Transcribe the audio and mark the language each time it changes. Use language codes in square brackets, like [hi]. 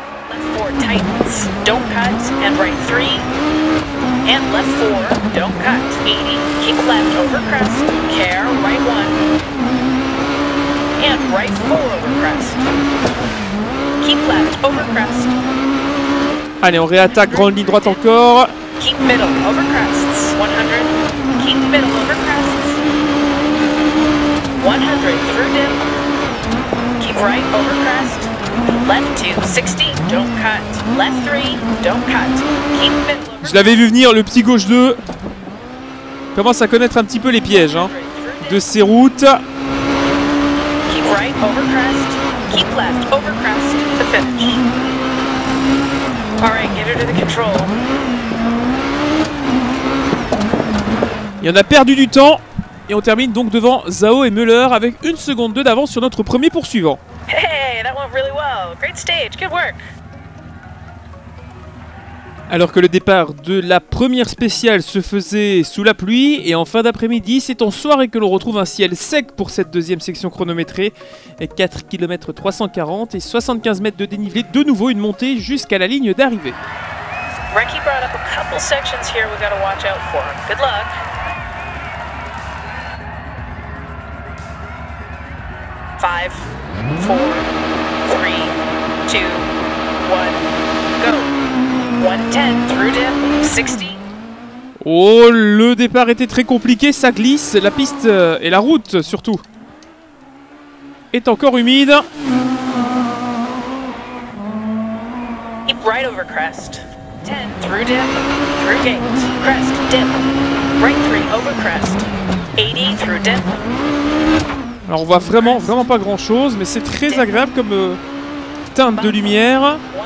[en] Left four tightens. Don't cut. And right three. And left four. Don't cut. 80. Keep left over crest. Care. Right one. And right four over crest. Keep left over crest. [fr] Allez, on réattaque, grande ligne droite encore. [en] Keep middle over crests. 100. Keep middle over crests. 100 through dip. Keep right over crest. Left 2, 60. Don't cut. Left 3, don't cut. Keep middle over. [fr] Je l'avais vu venir, le petit gauche 2. Commence à connaître un petit peu les pièges hein, de ces routes. [en] Keep right over crest. Keep left over crest to finish. All right, get her to the control. [fr] Il y en a perdu du temps et on termine donc devant Zao et Müller avec une seconde deux d'avance sur notre premier poursuivant. [en] Hey, that went really well. Great stage, good work. [fr] Alors que le départ de la première spéciale se faisait sous la pluie et en fin d'après-midi, c'est en soirée que l'on retrouve un ciel sec pour cette deuxième section chronométrée. 4 km 340 et 75 mètres de dénivelé, de nouveau une montée jusqu'à la ligne d'arrivée. [en] Recky brought up a couple sections here we gotta watch out for. Good luck. Five, four, three, two, one, go. 110 through dip, 60. [fr] Oh, le départ était très compliqué, ça glisse, la piste et la route surtout est encore humide. [en] Keep right over crest. 10 through dip, through gate, crest, dip, right 3 over crest, 80 through dip. [fr] Alors on voit vraiment, vraiment pas grand chose, mais c'est très agréable comme teinte de lumière.